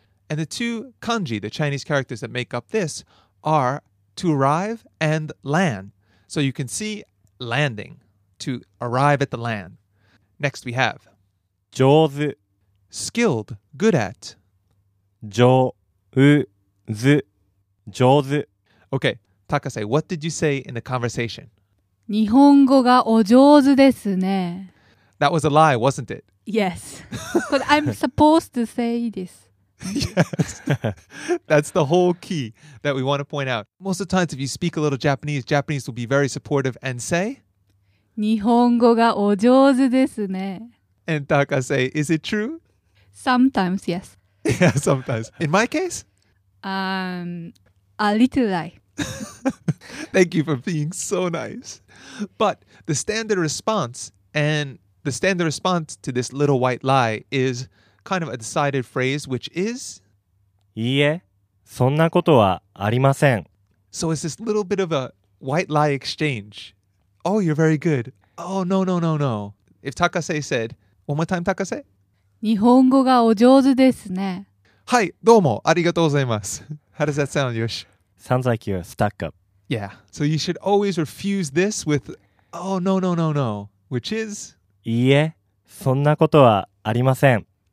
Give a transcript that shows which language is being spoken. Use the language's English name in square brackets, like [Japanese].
[English] And the two kanji, the Chinese characters that make up this, are to arrive and land. So you can see landing. to arrive at the land. Next we have [Japanese] 上手 [English] skilled, good at. [Japanese] 上手上手 [English] Okay, Takase, what did you say in the conversation? [Japanese] 日本語がお上手ですね。 [English] That was a lie, wasn't it? Yes, but I'm supposed to say this. Yes, that's the whole key that we want to point out. Most of the times, if you speak a little Japanese, Japanese will be very supportive and say, [Japanese] 日本語がお上手ですね。 [English] And Takase, is it true? Sometimes, yes. Yeah, sometimes. In my case? A little lie. Thank you for being so nice. But the standard response, and the standard response to this little white lie is kind of a decided phrase, which is? [Japanese] いいえ、そんなことはありません。 [English] So it's this little bit of a white lie exchange. Oh, you're very good. Oh, no, no, no, no. If Takase said, one more time, Takase? [Japanese] 日本語がお上手ですね。はい、どうもありがとうございます。 [English] How does that sound, Yoshi? Sounds like you're stuck up. Yeah, so you should always refuse this with, oh, no, no, no, no, which is? [Japanese] いいえ、そんなことはありません。